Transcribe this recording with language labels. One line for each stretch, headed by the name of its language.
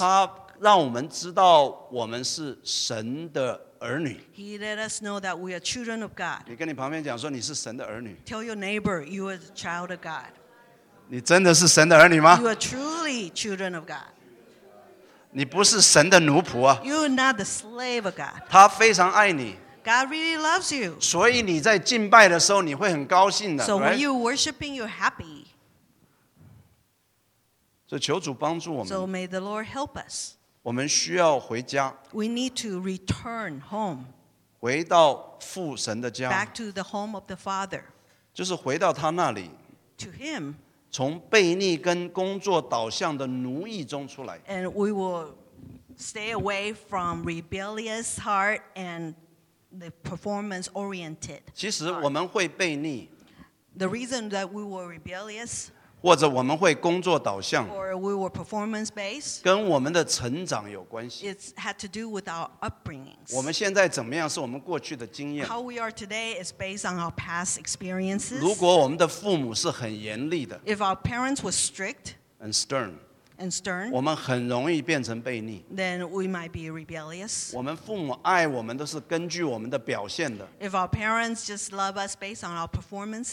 Chinese: 他让我们知道我们是神的儿女
English: He let us know that we are children of God.
Chinese: 你跟你旁边讲说你是神的儿女
English: Tell your neighbor you are the child of God.
Chinese: 你真的是神的儿女吗
English: You are truly children of God.
Chinese: 你不是神的奴仆啊
English: You are not the slave of God.
Chinese: 他非常爱你
English: God really loves you.
Chinese: 所以你在敬拜的时候，你会很高兴的。
English: So when you're worshiping, you're happy.
Chinese: 所以求主帮助我们。
English: So may the Lord help us.
Chinese: 我们需要回家。
English: We need to return home.
Chinese: 回到父神的家。
English: Back to the home of the Father.
Chinese: 就是回到他那里。
English: To him.
Chinese: 从悖逆跟工作导向的奴役中出来。
English: And we will stay away from rebellious heart and The performance oriented.
Chinese: 其实我们会悖逆
English: The reason that we were rebellious,
Chinese: 或者我们会工作导向
English: or we were performance based,
Chinese: 跟我们的成长有关系
English: It had to do with our upbringings.
Chinese: 我们现在怎么样是我们过去的经验
English: How we are today is based on our past experiences.
Chinese: 如果我们的父母是很严厉的
English: If our parents were strict and stern, And stern,
Chinese: 我们很容易变成悖逆
English: then we might be rebellious.
Chinese: 我们父母爱我们都是根据我们的表现的
English: If our parents just love us based on our performances,